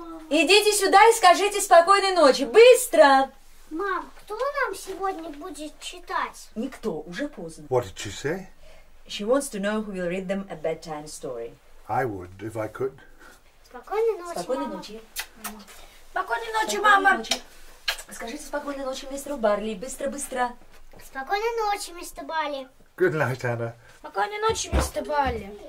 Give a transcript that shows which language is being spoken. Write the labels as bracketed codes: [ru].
[ru] Идите сюда и скажите спокойной ночи. Быстро! Мам, кто нам сегодня будет читать? Никто, уже поздно. [en] What did she say? She wants to know who will read them a bedtime story. I would, if I could. [ru] Спокойной ночи, спокойной мама. Ночи. Спокойной ночи, спокойной мама. Ночи. Скажите спокойной ночи мистеру Барли. Быстро, быстро. Спокойной ночи, мистер Барли. [en] Good night, Anna. [ru] Спокойной ночи, мистер Барли.